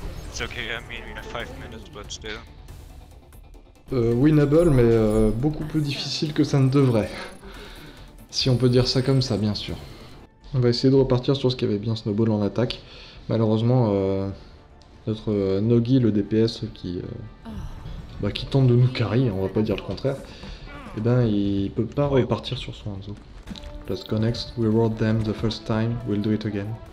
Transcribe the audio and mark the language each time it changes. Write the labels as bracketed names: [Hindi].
[English] It's okay, I mean we have 5 minutes, but still. [French] Winnable, mais beaucoup plus difficile que ça ne devrait. Si on peut dire ça comme ça, bien sûr. On va essayer de repartir sur ce qui avait bien snowball en attaque. Malheureusement, notre Nogi, le DPS qui tente de nous carry, on va pas dire le contraire, et ben il peut pas repartir sur son Hanzo. [English] Let's go next, we rode them the first time, we'll do it again.